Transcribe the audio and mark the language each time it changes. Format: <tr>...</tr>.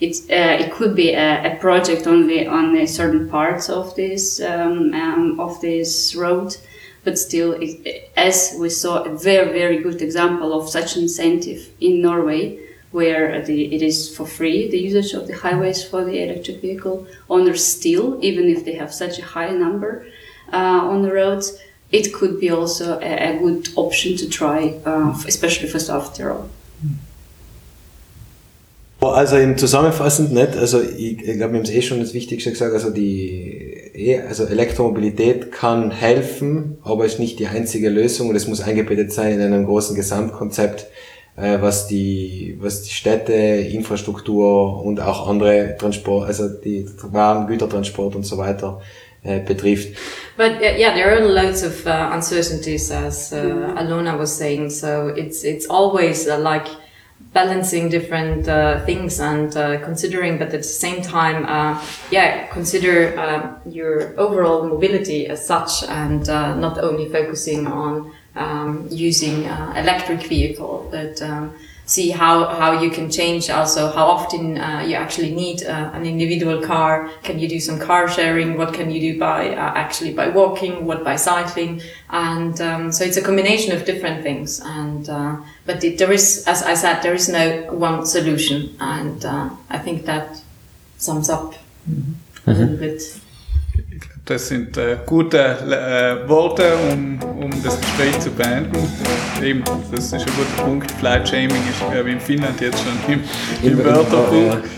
<en>It could be a project only on the certain parts of this road, but still, as we saw, a very, very good example of such incentive in Norway, where it is for free, the usage of the highways for the electric vehicle owners still, even if they have such a high number on the roads, it could be also a good option to try, especially for software.</en> <de>Well, also in zusammenfassend, nicht? Also ich glaube, wir haben es eh schon das Wichtigste gesagt, also Elektromobilität kann helfen, aber ist nicht die einzige Lösung und es muss eingebettet sein in einem großen Gesamtkonzept, was die Städte, Infrastruktur und auch andere Transport, also die Waren, Gütertransport und so weiter betrifft.</de> <en>But there are loads of uncertainties, as Alona was saying. So it's always like balancing different things and considering, but at the same time, consider your overall mobility as such and not only focusing on using electric vehicle, but see how you can change also how often you actually need an individual car. Can you do some car sharing? What can you do by walking? What by cycling? And so it's a combination of different things. And there is no one solution. And I think that sums up a little bit.</en> <de>Das sind gute Worte, um das Gespräch zu beenden. Eben, das ist ein guter Punkt. Flight Shaming ist, glaube ich, in Finnland jetzt schon im Wörterbuch.</de>